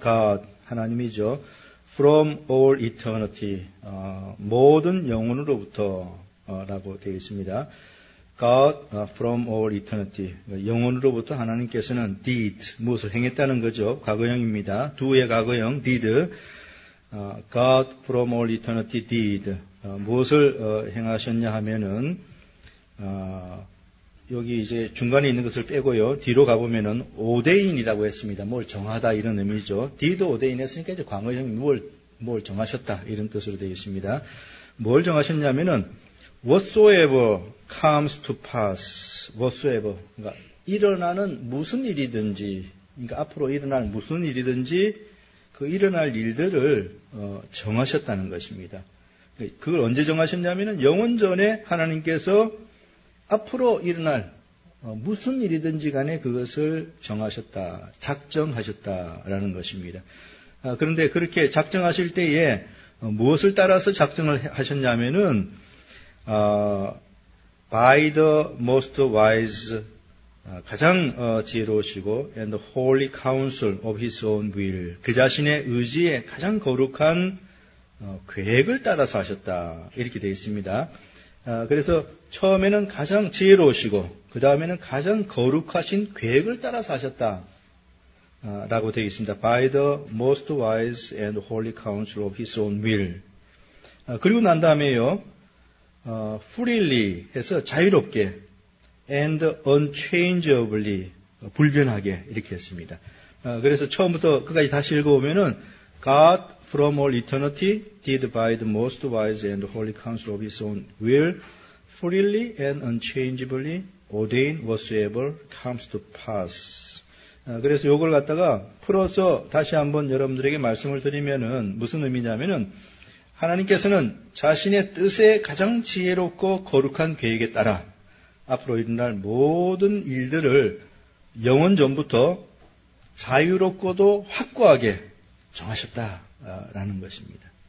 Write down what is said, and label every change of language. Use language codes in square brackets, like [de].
[ko] God, 하나님이죠. [en] From all eternity, [ko] 모든 영혼으로부터 라고 되어 있습니다. [en] God, from all eternity, [ko] 영혼으로부터 하나님께서는 did, 무엇을 행했다는 거죠. 과거형입니다. do의 과거형, did. [en] God, from all eternity, did. [ko] 무엇을 행하셨냐 하면은 여기 이제 중간에 있는 것을 빼고요. 뒤로 가보면은 오데인이라고 했습니다. 뭘 정하다 이런 의미죠. 디도 오데인 했으니까 이제 광어형이 뭘 정하셨다 이런 뜻으로 되어 있습니다. 뭘 정하셨냐면은 [en] whatsoever comes to pass, whatsoever. [ko] 그러니까 일어나는 무슨 일이든지, 그러니까 앞으로 일어날 무슨 일이든지 그 일어날 일들을 정하셨다는 것입니다. 그걸 언제 정하셨냐면은 영원전에 하나님께서 앞으로 일어날 무슨 일이든지 간에 그것을 정하셨다, 작정하셨다라는 것입니다. 그런데 그렇게 작정하실 때에 무엇을 따라서 작정을 하셨냐면은 [en] by the most wise, [ko] 가장 지혜로우시고 [en] and the holy counsel of his own will, [ko] 그 자신의 의지에 가장 거룩한 계획을 따라서 하셨다 이렇게 되어 있습니다. 그래서 처음에는 가장 지혜로우시고 그 다음에는 가장 거룩하신 계획을 따라서 하셨다라고 되어 있습니다. [en] By the most wise and holy counsel of his own will. [ko] 그리고 난 다음에요. Freely 해서 자유롭게 and unchangeably 불변하게 이렇게 했습니다. 그래서 처음부터 끝까지 다시 읽어보면은 [en] God from all eternity did by the most wise and holy counsel of his own will freely and unchangeably ordain whatsoever comes to pass. [ko] 그래서 이걸 갖다가 풀어서 다시 한번 여러분들에게 말씀을 드리면은 무슨 의미냐면은 하나님께서는 자신의 뜻에 가장 지혜롭고 거룩한 계획에 따라 앞으로 일어날 모든 일들을 영원 전부터 자유롭고도 확고하게 정하셨다라는 것입니다.